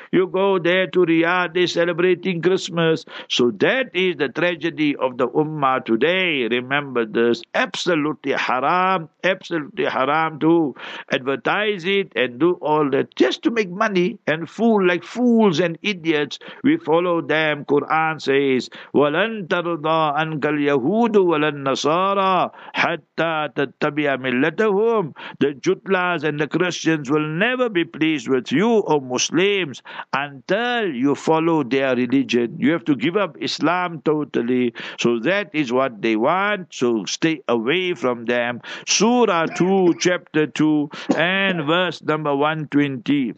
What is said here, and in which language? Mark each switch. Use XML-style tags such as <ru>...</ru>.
<en>You go there to Riyadh, they celebrating Christmas. So that is the tragedy of the Ummah today. Remember this. Absolutely haram to advertise it and do all that just to make money and fool like fools and idiots. We follow them.</en> <ar>Quran says, وَلَن تَرْضَىٰ أَنْكَ الْيَهُودُ وَلَن نَصَارَىٰ حَتَّىٰ تَتَّبِعَ مِلَّتَهُمْ.</ar> <en>The Jutlas and the Christians will never be pleased with you, O Muslims, until you follow their religion. You have to give up Islam totally. So that is what they want. So stay away from them. Surah 2, chapter 2, and verse number 120.</en>